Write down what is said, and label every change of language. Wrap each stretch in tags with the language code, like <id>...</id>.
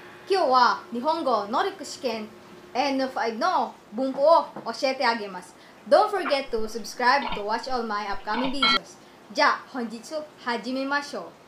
<ja>今日は日本語能力試験 N5 の文法を教えてあげます。</ja> <en>Don't forget to subscribe to watch all my upcoming videos.</en> <ja>じゃあ本日始めましょう。</ja>